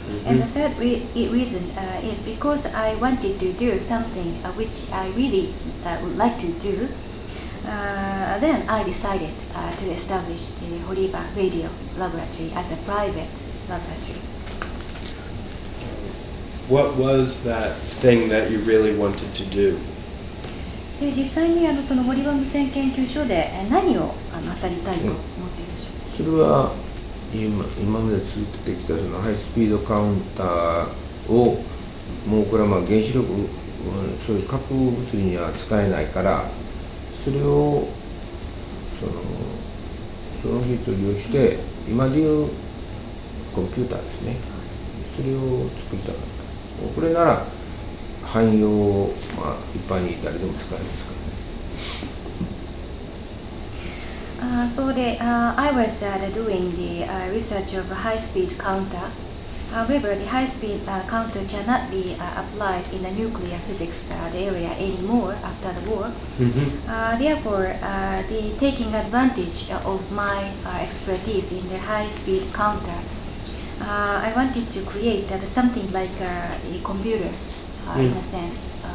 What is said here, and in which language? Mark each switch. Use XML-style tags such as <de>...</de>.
<en>And the third reason is because I wanted to do something which I really would like to do. Then I decided to establish the Horiba Radio Laboratory as a private laboratory. What was that thing that you really wanted to do?</en> <ja>で実際にその堀場無線研究所で何をなさりたいと思っているでしょうか。それは今まで続けてきたそのハイスピードカウンターを、もうこれは原子力、そういう核物理には使えないから、それをその技術を利用して、今でいうコンピューターですね、それを作りたかった。これなら汎用を、一般に誰でも使えますからね。</ja> <en>I was doing the research of a high-speed counter. However, the high-speed counter cannot be applied in the nuclear physics area anymore after the war. Therefore, the taking advantage of my expertise in the high-speed counter, I wanted to create something like a computer, in a sense.</en>